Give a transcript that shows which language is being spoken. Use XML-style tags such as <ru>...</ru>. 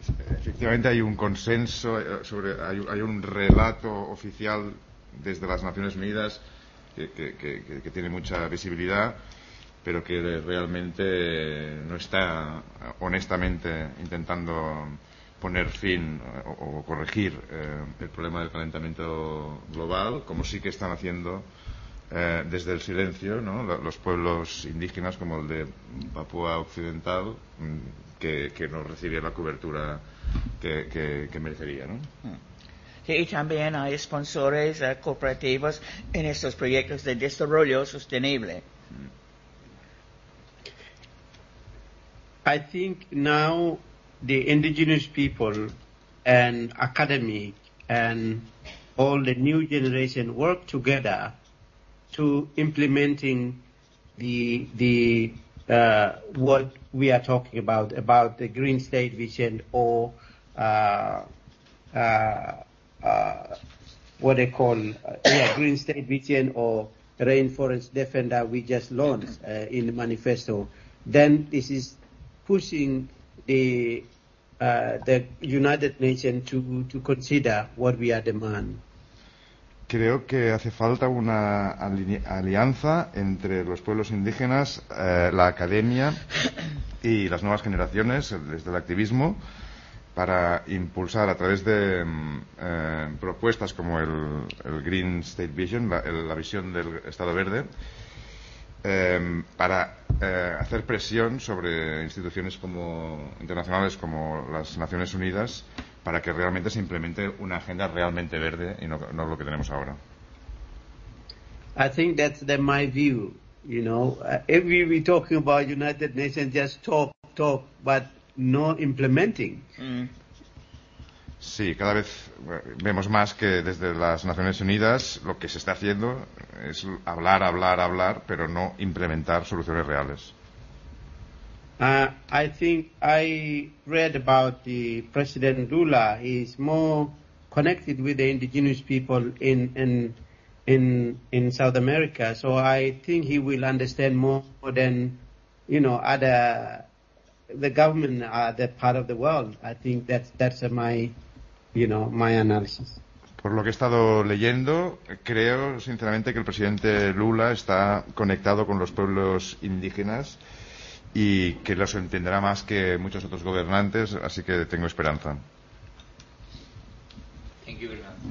<es>Efectivamente, hay un consenso sobre, hay un relato oficial desde las Naciones Unidas que tiene mucha visibilidad, pero que realmente no está honestamente intentando poner fin o corregir el problema del calentamiento global, como sí que están haciendo desde el silencio, ¿no?, los pueblos indígenas como el de Papúa Occidental, que no recibía la cobertura que merecería, ¿no? Y también hay sponsores cooperativos en estos proyectos de desarrollo sostenible.</es> <en>I think now the indigenous people and academy and all the new generation work together to implementing the what we are talking about the green state vision or what they call green state vision or rainforest defender we just launched in the manifesto. Then this is pushing the United Nations to consider what we are demand.</en> <es>Creo que hace falta una alianza entre los pueblos indígenas, la academia y las nuevas generaciones desde el activismo para impulsar a través de propuestas como el Green State Vision, la visión del Estado Verde, para hacer presión sobre instituciones como internacionales como las Naciones Unidas para que realmente se implemente una agenda realmente verde y no lo que tenemos ahora.</es> <en>I think that's my view, you know. If we be talking about United Nations, just talk, but no implementing.</en> <es>Sí, cada vez vemos más que desde las Naciones Unidas lo que se está haciendo es hablar, pero no implementar soluciones reales.</es> <en>I think I read about the President Lula. He's more connected with the indigenous people in South America. So I think he will understand more than, you know, other the government other part of the world. I think that's my, you know, my analysis.</en> <es>Por lo que he estado leyendo, creo sinceramente que el presidente Lula está conectado con los pueblos indígenas y que los entenderá más que muchos otros gobernantes, así que tengo esperanza.</es> <en>Thank you very much.</en>